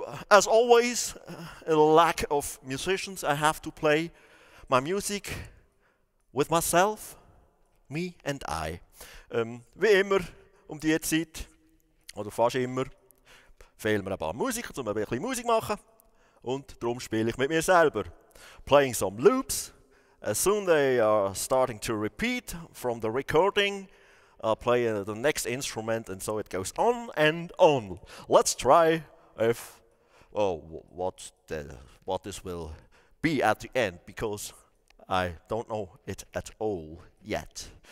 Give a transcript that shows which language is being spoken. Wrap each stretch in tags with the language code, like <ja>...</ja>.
<en>As always, a lack of musicians, I have to play my music with myself, me and I.</en> <de>Wie immer um die Zeit, oder fast immer, fehlen mir ein paar Musiker, um ein bisschen Musik machen. Und darum spiele ich mit mir selber.</de> <en>Playing some loops. As soon they are starting to repeat from the recording, I'll play the next instrument and so it goes on and on. Let's try what this will be at the end, because I don't know it at all yet.</en>